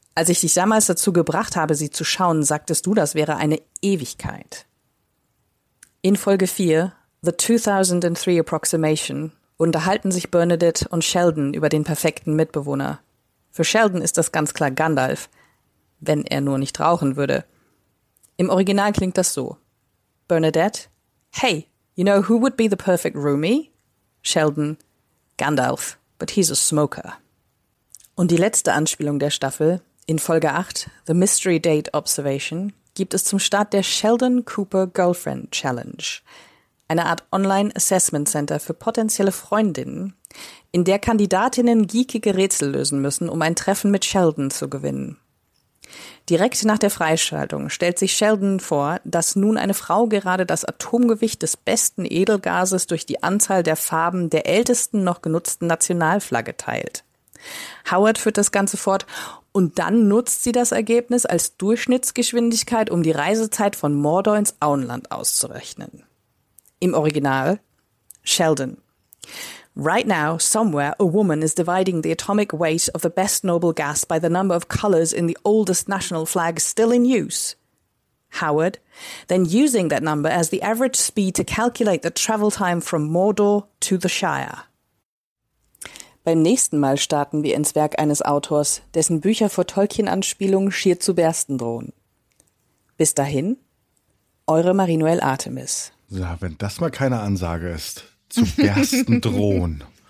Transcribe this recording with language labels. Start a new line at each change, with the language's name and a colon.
German: Als ich dich damals dazu gebracht habe, sie zu schauen, sagtest du, das wäre eine Ewigkeit. In Folge 4, The 2003 Approximation, unterhalten sich Bernadette und Sheldon über den perfekten Mitbewohner. Für Sheldon ist das ganz klar Gandalf, wenn er nur nicht rauchen würde. Im Original klingt das so.
English: Bernadette: Hey, you know who would be the perfect roomie?
German: Sheldon:
English: Gandalf, but he's a smoker.
German: Und die letzte Anspielung der Staffel, in Folge 8, The Mystery Date Observation, gibt es zum Start der Sheldon Cooper Girlfriend Challenge. Eine Art Online-Assessment-Center für potenzielle Freundinnen, in der Kandidatinnen geekige Rätsel lösen müssen, um ein Treffen mit Sheldon zu gewinnen. Direkt nach der Freischaltung stellt sich Sheldon vor, dass nun eine Frau gerade das Atomgewicht des besten Edelgases durch die Anzahl der Farben der ältesten noch genutzten Nationalflagge teilt. Howard führt das Ganze fort und dann nutzt sie das Ergebnis als Durchschnittsgeschwindigkeit, um die Reisezeit von Mordor ins Auenland auszurechnen. Im Original:
English: Sheldon: Right now, somewhere, a woman is dividing the atomic weight of the best noble gas by the number of colors in the oldest national flag still in use. Howard: Then using that number as the average speed to calculate the travel time from Mordor to the Shire.
German: Beim nächsten Mal starten wir ins Werk eines Autors, dessen Bücher vor Tolkien-Anspielungen schier zu bersten drohen. Bis dahin, eure Marie-Noëlle Artemis. Ja, wenn das mal keine Ansage ist. Zu bersten drohen.